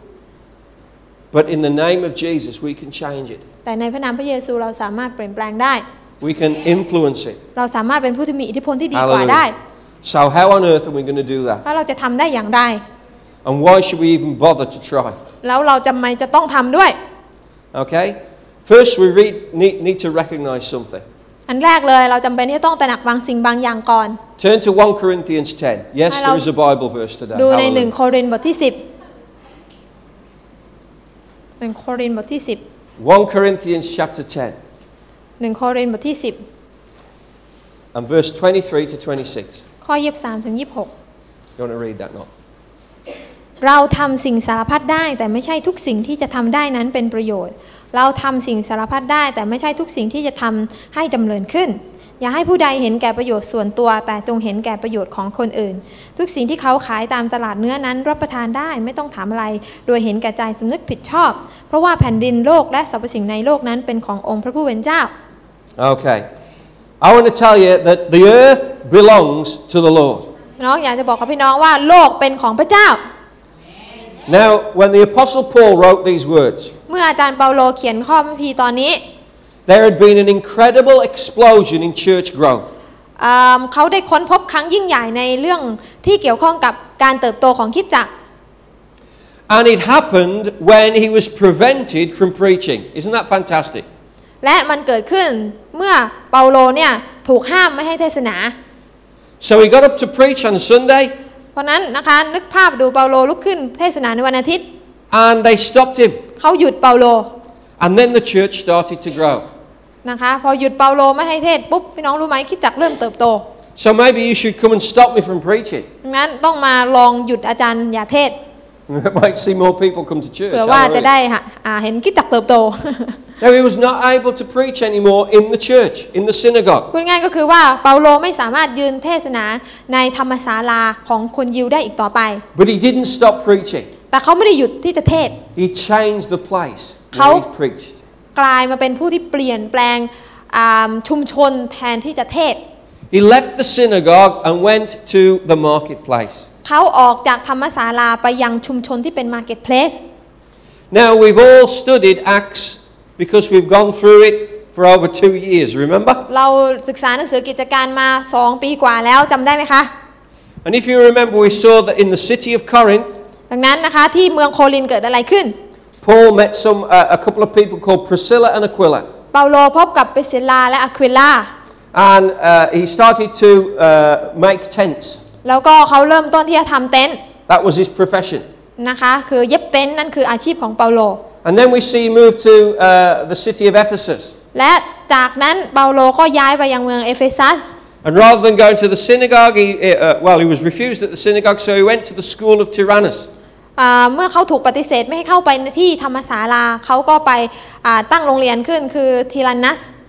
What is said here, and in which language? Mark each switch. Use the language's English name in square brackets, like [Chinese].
[English] but in the name of jesus we can change it [Thai] แต่ในพระนามพระเยซูเราสามารถเปลี่ยนแปลงได้ [English] We can influence it. [Thai] เราสามารถเป็นผู้ที่มีอิทธิพลที่ดีกว่าได้ [English] So how on earth are we going to do that? [Thai] แล้วเราจะทำได้อย่างไร [English] And why should we even bother to try? [Thai] แล้วเราจำไมจะต้องทำด้วย [English] Okay. First we need to recognize something. [Thai] อันแรกเลยเราจำเป็นที่ต้องตระหนักบางสิ่งบางอย่างก่อน [English] Turn to 1 Corinthians 10. Yes, there is a Bible verse today. [Thai] ดูใน1โครินธ์บทที่10 1โครินธ์บทที่10 [English] 1 Corinthians chapter 10. [Thai] 1โครินธ์บทที่10 [English] and verse 23 to 26 [Thai] ข้อ23ถึง26 [English] you want to read that not [Thai] เราทำสิ่งสารพัดได้แต่ไม่ใช่ทุกสิ่งที่จะทำได้นั้นเป็นประโยชน์เราทำสิ่งสารพัดได้แต่ไม่ใช่ทุกสิ่งที่จะทำให้จำเริญขึ้นอย่าให้ผู้ใดเห็นแก่ประโยชน์ส่วนตัวแต่จงเห็นแก่ประโยชน์ของคนอื่นทุกสิ่งที่เขาขายตามตลาดเนื้อนั้นรับประทานได้ไม่ต้องถามอะไรโดยเห็นแก่ใจสำนึกผิดชอบเพราะว่าแผ่นดินโลกและสรรพสิ่งในโลกนั้นเป็นขององค์พระผู้เป็นเจ้า [English] Okay. I want to tell you that the earth belongs to the Lord. [Thai] น้องอยากจะบอกกับพี่น้องว่าโลกเป็นของพระเจ้า [English] Now, when the apostle Paul wrote these words. [Thai] เมื่ออาจารย์เปาโลเขียนข้อพระคัมภีร์ตอนนี้ [English] There had been an incredible explosion in church growth. [Thai] เขาได้ค้นพบครั้งยิ่งใหญ่ในเรื่องที่เกี่ยวข้องกับการเติบโตของคริสตจักร [English] And it happened when he was prevented from preaching. Isn't that fantastic? [Thai] และมันเกิดขึ้นเมื่อเปาโลเนี่ยถูกห้ามไม่ให้เทศนา [English] So he got up to preach on Sunday [Thai] เพราะนั้นนะคะนึกภาพดูเปาโลลุกขึ้นเทศนาในวันอาทิตย์ [English] And they stopped him [Thai] เขาหยุดเปาโล [English] And then the church started to grow [Thai] นะคะพอหยุดเปาโลไม่ให้เทศปุ๊บพี่น้องรู้ไหมคิดจักเริ่มเติบโต [English] So maybe you should come and stop me from preaching [Thai] งั้นต้องมาลองหยุดอาจารย์อย่าเทศ [English] Might see more people come to church [Thai] เผื่อว่าจะได้เห็นคิดจักเติบโต [English] Now he was not able to preach anymore in the church, in the synagogue. [Thai] พูดง่ายก็คือว่าเปาโลไม่สามารถยืนเทศนาในธรรมศาลาของคนยิวได้อีกต่อไป [English] But he didn't stop preaching. [Thai] แต่เขาไม่ได้หยุดที่จะเทศ [English] He changed the place where he preached. [Thai] กลายมาเป็นผู้ที่เปลี่ยนแปลงชุมชนแทนที่จะเทศ [English] He left the synagogue and went to the marketplace. [Thai] เขาออกจากธรรมศาลาไปยังชุมชนที่เป็น marketplace. [English] Now we've all studied Acts. Because we've gone through it for over 2 years, remember? [Thai] เราศึกษาหนังสือกิจการมา2ปีกว่าแล้วจำได้ไหมคะ [English] And if you remember, we saw that in the city of Corinth. [Thai] ดังนั้นนะคะที่เมืองโครินธ์เกิดอะไรขึ้น [English] Paul met a couple of people called Priscilla and Aquila. [Thai] เปาโลพบกับปริสซิลลาและอควิลา [English] And he started to make tents. [Thai] แล้วก็เขาเริ่มต้นที่จะทำเต็นท์ [English] That was his profession. [Thai] นะคะคือเย็บเต็นท์นั่นคืออาชีพของเปาโล [English] And then we see him move to the city of Ephesus. [Thai] และจากนั้นเปาโลก็ย้ายไปยังเมืองเอเฟซัส [English] And rather than going to the synagogue, he was refused at the synagogue, so he went to the school of Tyrannus. [Thai] เมื่อเขาถูกปฏิเสธไม่ให้เข้าไปที่ธรรมศาลาเขาก็ไปตั้งโรงเรียนขึ้นคือทิรานัส